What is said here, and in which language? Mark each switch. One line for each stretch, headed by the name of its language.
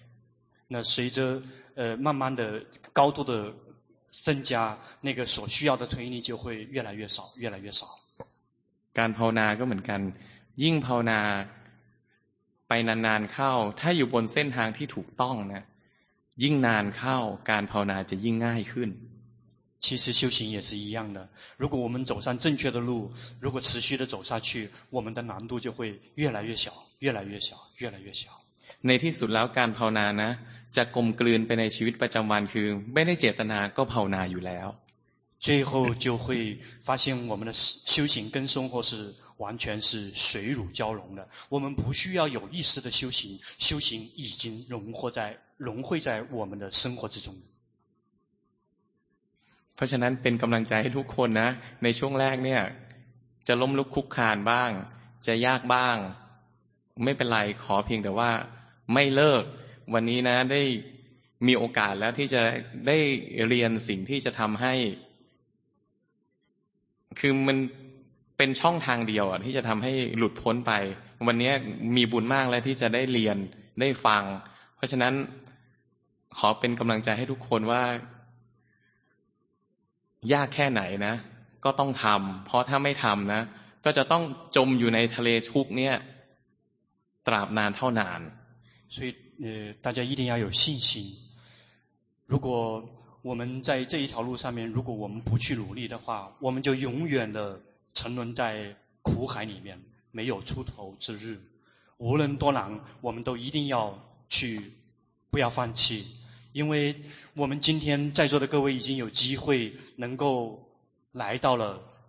Chinese: ๆ那随着慢慢的高度的增加那个所需要的推力就会越来越少
Thai: การภาวนาก็เหมือนกัน ยิ่งภาวนาไปนานๆเข้าถ้าอยู่บนเส้นทางที่ถูกต้องนะยิ่งนานเข้าการภาวนาจะยิ่งง่ายขึ้น
Chinese: 其实修行也是一样的如果我们走上正确的路如果持续的走下去我们的难度就会越来越小越来越小越来越小
Thai: ในที่สุดแล้วการภาวนานะจะกลมกลืนไปในชีวิตประจำวันคือไม่ได้เจตนาก็ภาวนาอยู่แล้ว
Chinese: 最后就会发现我们的修行跟生活是完全是水乳交融的我们不需要有意识的修行修行已经融汇在我们的生活之中
Thai: เพราะฉะนั้นเป็นกำลังใจให้ทุกคนนะในช่วงแรกเนี่ยจะล้มลุกคุกคานบ้างจะยากบ้างไม่เป็นไรขอเพียงแต่ว่าไม่เลิกวันนี้นะได้มีโอกาสแล้วที่จะได้เรียนสิ่งที่จะทำให้ คือมันเป็นช่องทางเดียวที่จะทำให้หลุดพ้นไปวันนี้มีบุญมากแล้วที่จะได้เรียนได้ฟังเพราะฉะนั้นขอเป็นกำลังใจให้ทุกคนว่ายากแค่ไหนนะก็ต้องทำเพราะถ้าไม่ทำนะก็จะต้องจมอยู่ในทะเลทุกข์เนี่ยตราบนานเท่านาน
Chinese: 所以大家一定要有信心如果我们在这一条路上面如果我们不去努力的话我们就永远的沉沦在苦海里面没有出头之日无论多难我们都一定要去不要放弃因为我们今天在座的各位已经有机会能够来到了